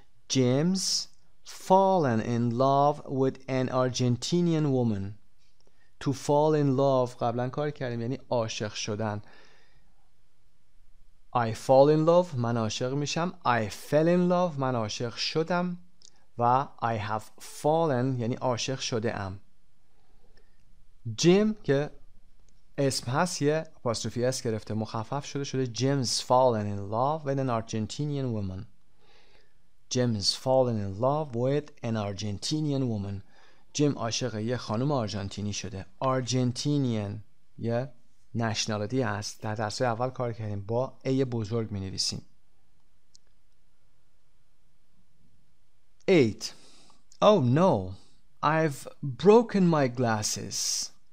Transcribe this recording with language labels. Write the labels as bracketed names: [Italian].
[English] James fallen in love with an Argentinian woman. To fall in love [Persian] قبلا کار کردیم، یعنی عاشق شدن. [English] I fall in love [Persian] من عاشق میشم. [English] I fell in love [Persian] من عاشق شدم. و [English] I have fallen [Persian] یعنی عاشق شده ام. جیم که اسم هست یه اپاستروفی اس گرفته، مخفف شده، شده [English] James fallen in love with an Argentinian woman. James fallen in love with an Argentinian woman. [Persian] جیم عاشق یه خانم آرژانتینی شده. Argentinian یه نشنالتی هست. در درس اول کار کردیم با ای بزرگ می نویسیم. [English] 8. Oh no, I've broken my glasses.